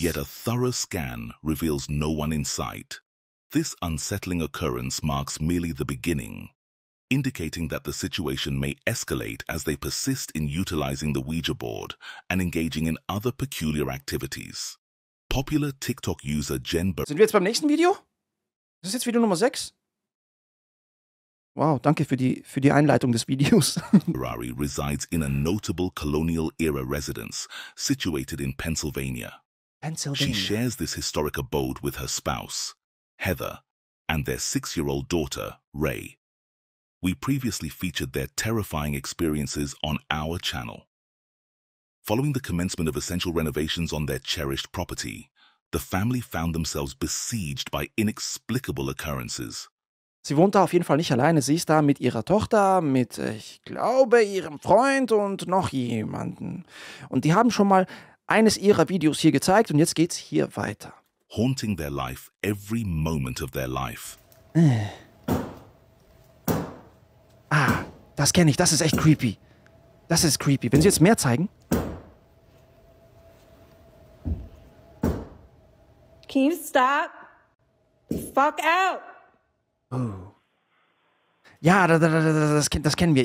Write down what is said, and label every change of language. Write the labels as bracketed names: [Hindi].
[English] Yet a thorough scan reveals no one in sight. This unsettling occurrence marks merely the beginning, indicating that the situation may escalate as they persist in utilizing the Ouija board and engaging in other peculiar activities. Popular TikTok user Jen Ber- [German] Sind wir jetzt beim nächsten Video? Ist das jetzt Video Nummer 6? Wow, danke für die Einleitung des Videos. [English] Ferrari resides in a notable colonial-era residence situated in Pennsylvania. Pennsylvania. She shares this historic abode with her spouse, Heather, and their 6-year-old daughter, Ray. We previously featured their terrifying experiences on our channel. Following the commencement of essential renovations on their cherished property, the family found themselves besieged by inexplicable occurrences. [German] Sie wohnt da auf jeden Fall nicht alleine. Sie ist da mit ihrer Tochter, mit, ich glaube, ihrem Freund und noch jemanden. Und die haben schon mal eines ihrer Videos hier gezeigt und jetzt geht's hier weiter. [English] Haunting their life, every moment of their life. [German] Ah, das kenne ich, das ist echt creepy. Das ist creepy. Wenn Sie jetzt mehr zeigen? [English] Can you stop? Fuck out! [German] Oh. Ja, das kennen wir.